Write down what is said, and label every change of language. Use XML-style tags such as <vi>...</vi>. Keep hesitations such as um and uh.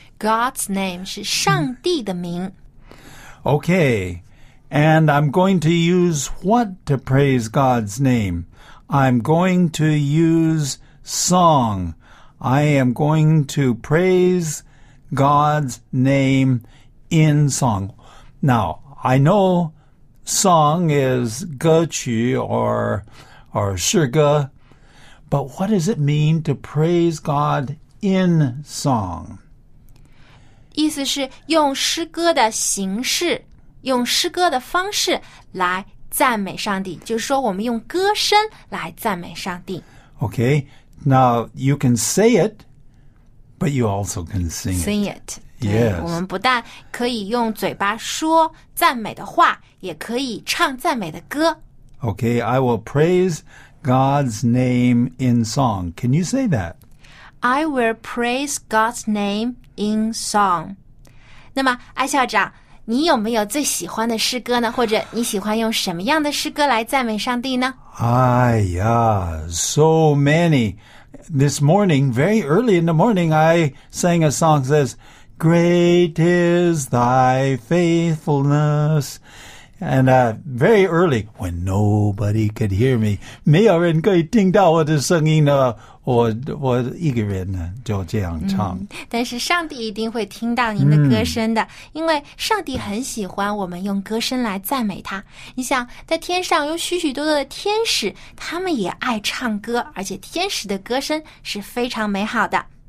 <zh>God's name 是上帝的名.</zh> <en>Okay, and I'm going to use what to praise God's name? I'm going to use song. I am going to praise God's name in song. Now, I know song is 歌曲 or or 诗歌, but what does it mean to praise God in song?</en> <zh>意思是用诗歌的形式,用诗歌的方式来赞美上帝,就是说我们用歌声来赞美上帝。</zh> <en>Okay, now you can say it, but you also can sing it. Sing it. it. Yes.</en> <zh>我们不但可以用嘴巴说赞美的话，也可以唱赞美的歌。</zh> <en>Okay, I will praise God's name in song. Can you say that? I will praise God's name in song.</en> <zh>那么，艾校长，你有没有最喜欢的诗歌呢？或者你喜欢用什么样的诗歌来赞美上帝呢？</zh> <en>哎呀，so many. This morning, very early in the morning, I sang a song that says. Great is Thy faithfulness，and、uh, very early when nobody could hear me，没有人可以听到我的声音呢。</en> <zh>我我一个人呢，就这样唱、嗯。但是上帝一定会听到您的歌声的，嗯、因为上帝很喜欢我们用歌声来赞美他。你想，在天上有许许多多的天使，他们也爱唱歌，而且天使的歌声是非常美好的。</zh>